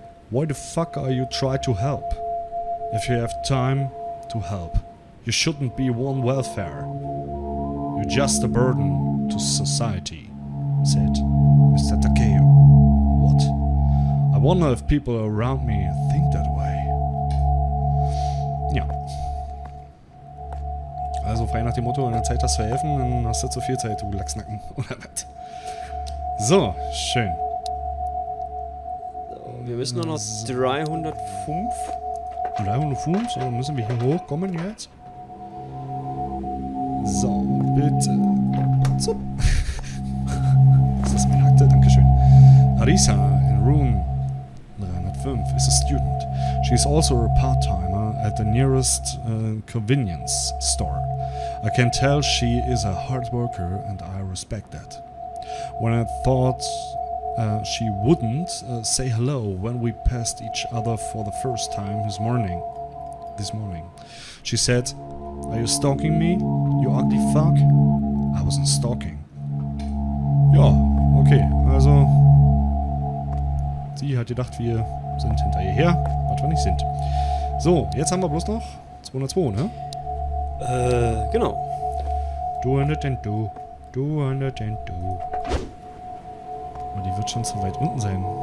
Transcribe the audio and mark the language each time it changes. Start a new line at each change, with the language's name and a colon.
English: Why the fuck are you trying to help? If you have time to help, you shouldn't be one welfare. You're just a burden to society, said Mr. Takeo. What? I wonder if people around me think that.
German: Ja. Also frei nach dem Motto, wenn du Zeit hast zu helfen, dann hast du zu viel Zeit, du Lachsnacken. Oder was? So, schön. Wir müssen nur noch 305. 305? So, müssen wir hier hochkommen jetzt? So, bitte. So. Ist das meine Akte? Dankeschön. Arisa in Rune 305 ist ein Student.
English: She is also a part-timer at the nearest convenience store. I can tell she is a hard worker and I respect that. When I thought she wouldn't say hello when we passed each other for the first time this morning, she said, are you stalking me, you ugly fuck? I wasn't stalking.
German: Ja, okay, also sie hat gedacht, wir sind hinter ihr her. Wann ich sind. So, jetzt haben wir bloß noch 202, ne? Genau. 202. Aber die wird schon zu weit unten sein.